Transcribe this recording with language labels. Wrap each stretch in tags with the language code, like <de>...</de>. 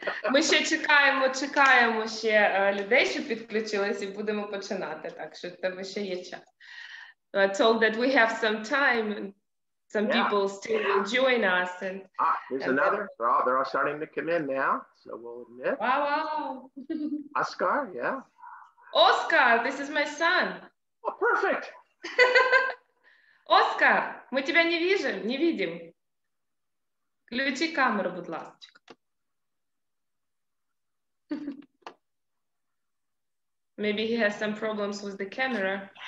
<uk>Ми ще чекаємо ще людей, що підключились, і будемо починати. Так що там ще є час.</uk> <en>So I told that we have some time. Some people still will join us. And there's another. They're all starting to come in now. So we'll admit. Wow. Oscar, yeah. Oscar, this is my son. Oh, perfect.</en> <uk>Oscar, ми тебе не видим, не видим. Включи камеру, будь ласка.</uk> <en>Maybe he has some problems with the camera.</en>